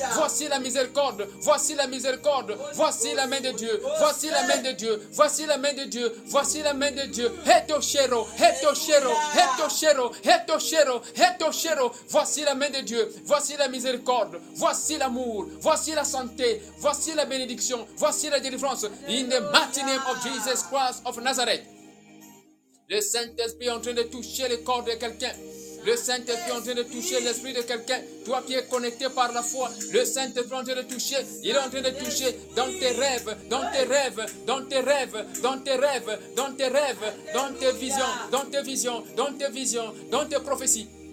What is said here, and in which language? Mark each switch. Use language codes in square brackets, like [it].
[fr] voici la miséricorde, voici la miséricorde, voici la main de Dieu, voici la main de Dieu, voici la main de Dieu, voici la main de Dieu, heto shero. Heto shero, heto shero, heto shero, heto shero. Voici la main de Dieu, voici la miséricorde, voici l'amour, voici la santé, voici la bénédiction, voici la délivrance. [en] In the mighty name of Jesus Christ of Nazareth. [fr] Le Saint-Esprit est en train de toucher le corps de quelqu'un. Le Saint-Esprit est en train de toucher l'esprit de quelqu'un. Toi qui es connecté par la foi, le Saint-Esprit est en train de toucher. Il est en train de toucher dans tes rêves, dans tes rêves, dans tes rêves, dans tes rêves, dans tes rêves, dans tes visions, dans tes visions, dans tes visions, dans tes prophéties.